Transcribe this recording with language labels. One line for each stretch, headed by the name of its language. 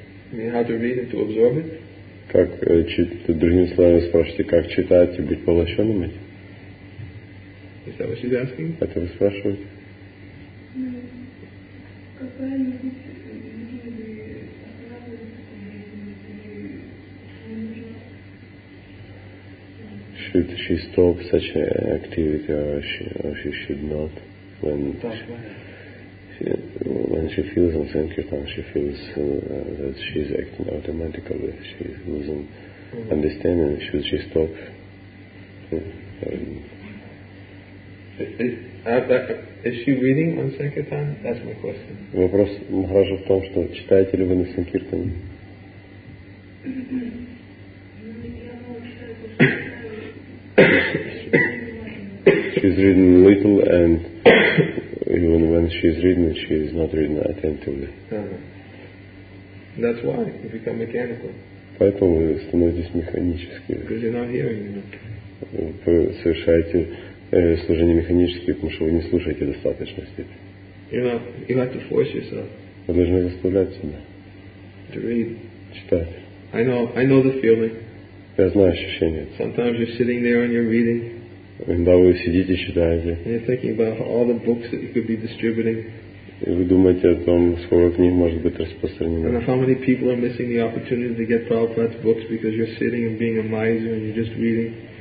English: You mean how to read it, to absorb it?
Russian: Как читать, другими словами, спрашиваете, как читать и быть поглощенным
English: этим? Is that what she's asking?
Russian: Это вы спрашиваете?
English: Should she stop such an activity or she should not? When she feels in sankirtan, she feels that she is acting automatically, she is losing understanding. Should she stop? Is she reading on sankirtan? That's my question.
Russian: Вопрос Махараджа в том, что читаете ли вы на санкиртане?
English: She's reading little and even when she's reading, she is not reading attentively. Uh-huh. That's why you become mechanical.
Russian: Поэтому вы становитесь механически.
English: Because you're not hearing
Russian: enough. Вы совершаете служение механически, потому что вы не слушаете достаточно.
English: You have to force yourself.
Russian: Вы должны заставлять себя.
English: To read.
Russian: Читать.
English: I know the feeling.
Russian: Я знаю ощущение.
English: Sometimes you're sitting there and you're reading.
Russian: Когда вы сидите и читаете.
English: You're thinking about all the books that you could be distributing.
Russian: И вы думаете о том, сколько книг может быть распространено.
English: And how many people are missing the opportunity to get Prabhupada's books because you're sitting and being a miser and you're just reading.